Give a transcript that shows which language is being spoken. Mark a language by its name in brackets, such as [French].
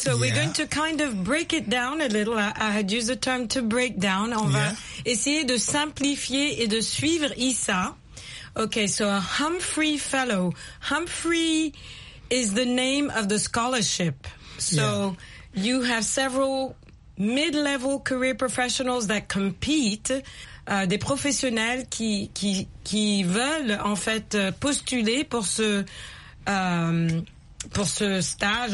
[English] We're going to kind of break it down a little. I had used the term to break down. [French] On va essayer de simplifier et de suivre Issa. [English] Okay, so a Humphrey Fellow. Humphrey is the name of the scholarship. You have several mid-level career professionals that compete. [French] Des professionnels qui veulent en fait postuler pour ce stage.